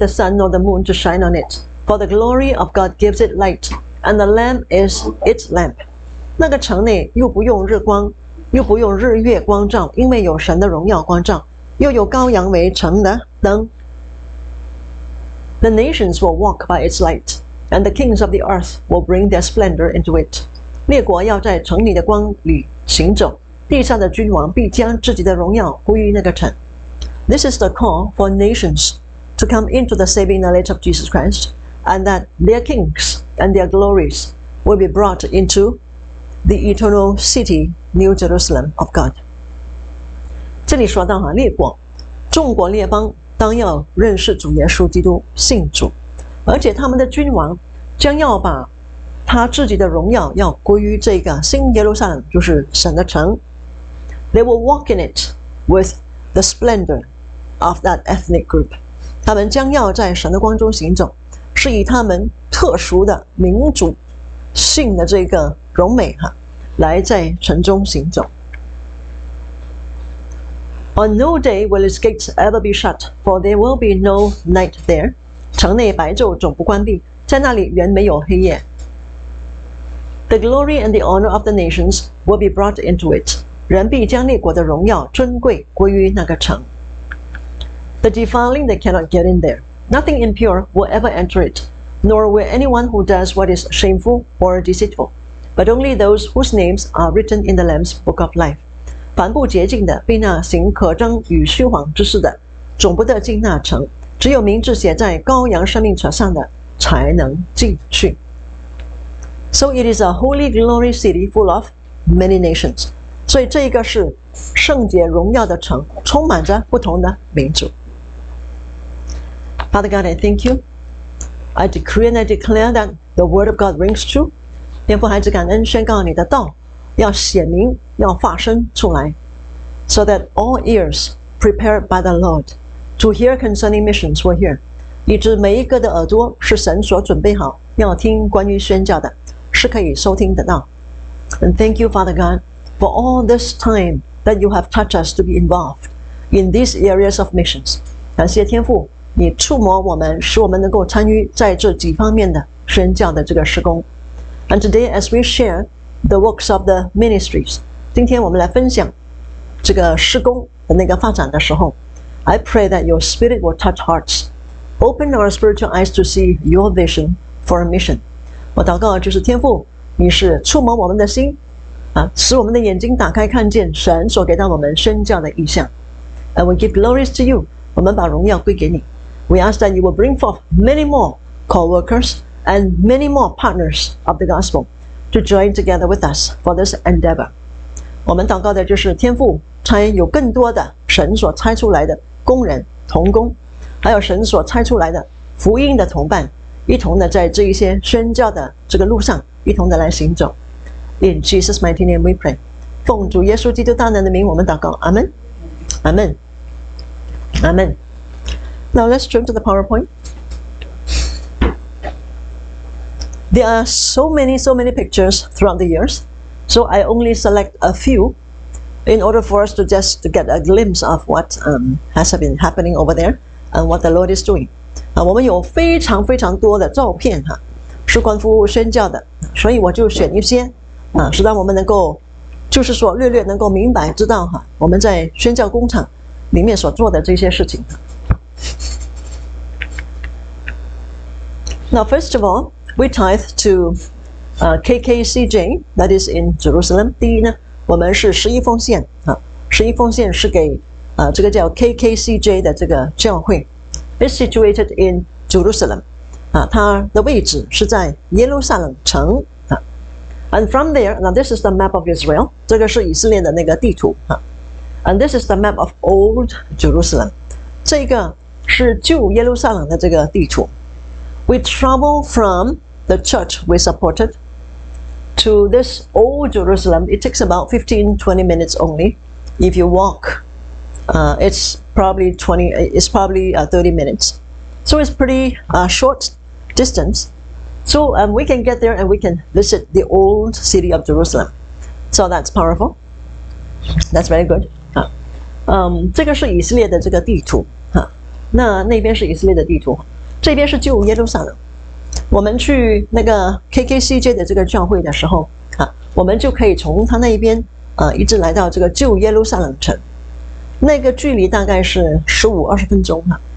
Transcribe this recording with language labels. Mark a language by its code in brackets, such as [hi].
[en] the sun nor the moon to shine on it, for the glory of God gives it light, and the Lamb is its lamp. [zh] 那个城内又不用日光。又不用日月光照，因为有神的荣耀光照，又有羔羊为城的灯。 [en] The nations will walk by its light, and the kings of the earth will bring their splendor into it. [zh] 列国要在城里的光里行走，地上的君王必将自己的荣耀归于那个城。 [en] This is the call for nations to come into the saving knowledge of Jesus Christ, and that their kings and their glories will be brought into the eternal city. New Jerusalem of God. [zh] 这里说到列国，众国列邦当要认识主耶稣基督，信主，而且他们的君王将要把他自己的荣耀要归于这个新耶路撒冷，就是神的城。 [en] They will walk in it with the splendor of that ethnic group. [zh] 他们将要在神的光中行走，是以他们特殊的民族性的这个荣美来在城中行走。 [en] On no day will its gates ever be shut, for there will be no night there. [zh] 城内白昼总不关闭，在那里原没有黑夜。 [en] The glory and the honor of the nations will be brought into it. [zh] 人必将列国的荣耀尊贵归于那个城。 [en] The defiling they cannot get in there. Nothing impure will ever enter it, nor will anyone who does what is shameful or deceitful. But only those whose names are written in the Lamb's Book of Life. [zh] 凡不洁净的，并那行可憎与虚谎之事的，总不得进那城。只有名字写在羔羊生命册上的，才能进去。 [en] So it is a holy, glory city full of many nations. [zh] 所以这一个是圣洁荣耀的城，充满着不同的民族。 [en] Father God, I thank you. I decree and I declare that the word of God rings true. [zh] 天父孩子感恩宣告你的道要显明要发声出来 [en] So that all ears prepared by the Lord to hear concerning missions will hear [zh] 以致每一个的耳朵是神所准备好要听关于宣教的是可以收听得到 [en] And thank you Father God for all this time that you have touched us to be involved in these areas of missions [zh] 感谢天父你触摸我们使我们能够参与在这几方面的宣教的这个事工 [en] And today, as we share the works of the ministries, [zh] 今天我们来分享这个事工的那个发展的时候 [en] I pray that your spirit will touch hearts. Open our spiritual eyes to see your vision for a mission. [zh] 我祷告就是天父，你是触摸我们的心，使我们的眼睛打开，看见神所给到我们宣教的意象。 [en] And we give glories to you. [zh] 我们把荣耀归给你。 [en] We ask that you will bring forth many more co-workers. And many more partners of the gospel to join together with us for this endeavor. [zh] 我们祷告的就是天父，差有更多的神所差出来的工人、同工，还有神所差出来的福音的同伴，一同的在这一些宣教的这个路上，一同的来行走。 [en] In Jesus' mighty name we pray. [zh] 奉主耶稣基督大能的名我们祷告。阿们。阿们。阿们。 [en] Now let's turn to the PowerPoint. There are so many pictures throughout the years, so I only select a few in order for us to just to get a glimpse of what has been happening over there and what the Lord is doing. [zh] 我们有非常非常多的照片哈，是关乎宣教的，所以我就选一些啊，是让我们能够就是说略略能够明白知道哈，我们在宣教工厂里面所做的这些事情。 [en] Now, first of all, we tithe to KKCJ, that is in Jerusalem. [zh] 第一呢，我们是十一奉献啊，十一奉献是给这个叫 KKCJ 的这个教会。 [en] It's situated in Jerusalem. [zh] 它的位置是在耶路撒冷城啊。 [en] And from there, now this is the map of Israel. [zh] 这个是以色列的那个地图啊。 [en] And this is the map of Old Jerusalem. [zh] 这个是旧耶路撒冷的这个地图。 [en] We travel from the church we supported to this old Jerusalem. It takes about 15-20 minutes only. If you walk, it's probably 30 minutes. So it's pretty short distance. So we can get there and we can visit the old city of Jerusalem. So that's powerful. That's very good. [zh] 这个是以色列的这个地图。那边是以色列的地图。这边是旧耶路撒冷，我们去那个 KKCJ 的这个教会的时候啊，我们就可以从他那边一直来到这个旧耶路撒冷城，那个距离大概是15-20分钟哈。